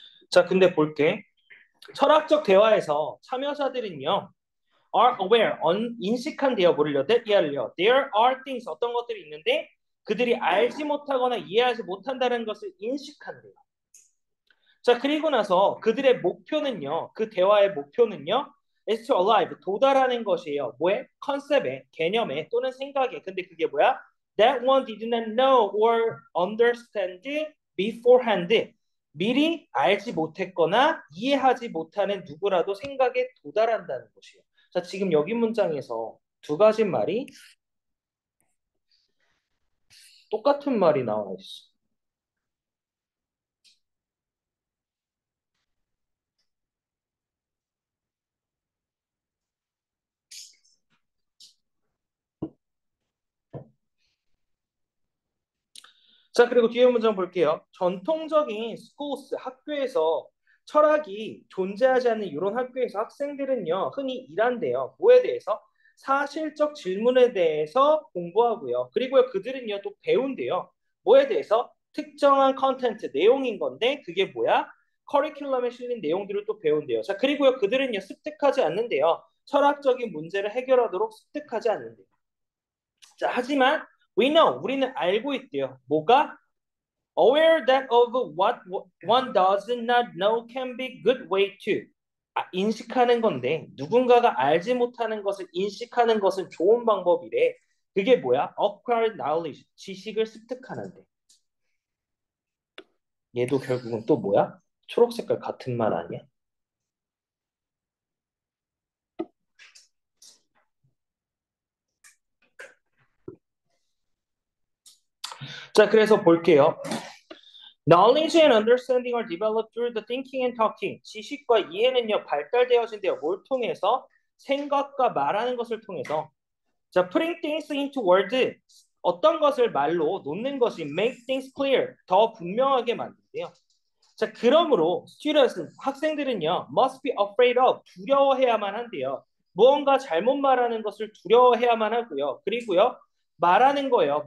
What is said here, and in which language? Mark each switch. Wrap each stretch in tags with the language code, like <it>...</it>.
<ko>자, 근데 볼게. 철학적 대화에서 참여자들은요,</ko> <en>are aware,</en> <ko>인식한 대여 모를려 대여</ko> <en>there are things,</en> <ko>어떤 것들이 있는데 그들이 알지 못하거나 이해하지 못한다는 것을 인식한대요. 자, 그리고 나서 그들의 목표는요, 그 대화의 목표는요,</ko> <en>is to arrive,</en> <ko>도달하는 것이에요. 뭐에? 컨셉에, 개념에, 또는 생각에. 근데 그게 뭐야?</ko> <en>That one didn't know or understand beforehand.</en> <ko>미리 알지 못했거나 이해하지 못하는 누구라도 생각에 도달한다는 것이에요. 자, 지금 여기 문장에서 두 가지 말이 똑같은 말이 나와 있어. 자, 그리고 뒤에 문장 볼게요. 전통적인 스쿨스 학교에서 철학이 존재하지 않는 이런 학교에서 학생들은요, 흔히 일한대요. 뭐에 대해서? 사실적 질문에 대해서 공부하고요. 그리고요, 그들은요, 또 배운대요. 뭐에 대해서? 특정한 컨텐츠, 내용인 건데, 그게 뭐야? 커리큘럼에 실린 내용들을 또 배운대요. 자, 그리고요, 그들은요, 습득하지 않는데요. 철학적인 문제를 해결하도록 습득하지 않는대요. 자, 하지만,</ko> <en>We know,</en> <ko>우리는 알고 있대요. 뭐가?</ko> <en>Aware that of what one does not know can be good way to.</en> <ko>아, 인식하는 건데, 누군가가 알지 못하는 것을 인식하는 것은 좋은 방법이래. 그게 뭐야?</ko> <en>Acquired knowledge,</en> <ko>지식을 습득하는데. 얘도 결국은 또 뭐야? 초록색깔 같은 말 아니야? 자, 그래서 볼게요.</ko> <en>Knowledge and understanding are developed through the thinking and talking.</en> <ko>지식과 이해는요, 발달되어진대요. 뭘 통해서? 생각과 말하는 것을 통해서.</ko> <en>자, putting things into words.</en> <ko>어떤 것을 말로 놓는 것이</ko> <en>make things clear.</en> <ko>더 분명하게 만든대요. 자, 그러므로 students, 학생들은요,</ko> <en>must be afraid of,</en> <ko>두려워해야만 한대요. 무언가 잘못 말하는 것을 두려워해야만 하고요. 그리고요, 말하는 거예요.</ko>